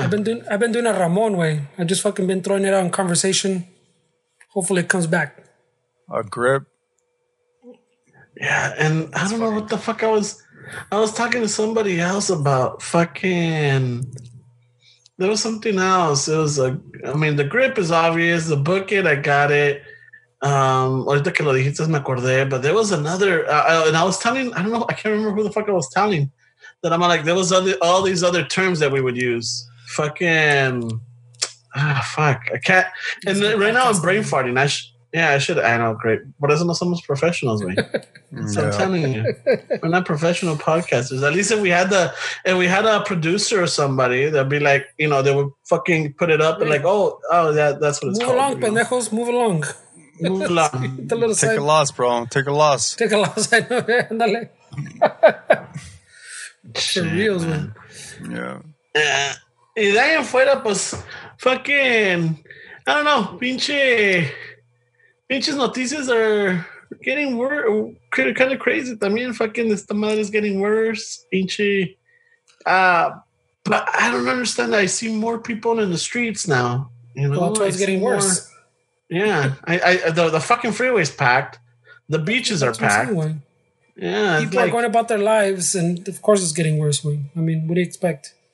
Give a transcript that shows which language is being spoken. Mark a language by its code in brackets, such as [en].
[en] I've been doing a Ramon way. I just fucking been throwing it out in conversation. hopefully it comes back. A grip. Yeah, and that's I don't know what the fuck I was talking to somebody else about fucking. There was something else. It was like, I mean, the grip is obvious. The bucket, I got it. [es] Ahorita que lo dijiste, me acordé. [en] But there was another, and I was telling, I don't know, I can't remember who the fuck I was telling. That I'm like, there was all these other terms that we would use. Fucking, fuck. I can't, and then, right now I'm brain farting. I know, great. But [es] eso no somos [en] professionals, man. So yeah. I'm telling you, we're not professional podcasters. At least if we had a producer or somebody, they'd be like, you know, they would fucking put it up and like, that's what it's move called. Along, you know? Pendejos, move along, pendejos, move along. A little take side. A loss, bro. Take a loss. Take a loss. Andale. Shit, man. Yeah. [es] Y de ahí afuera, pues, [en] fucking, I don't know, [es] pinches noticias [en] are getting worse, kind of crazy. [es] También fucking esta madre [en] is getting worse, [es] pinche. [en] But I don't understand. I see more people in the streets now. You know, it's getting worse. Yeah, the fucking freeway's packed. The beaches are packed. Yeah, people are going about their lives, and of course it's getting worse. I mean, what do you expect?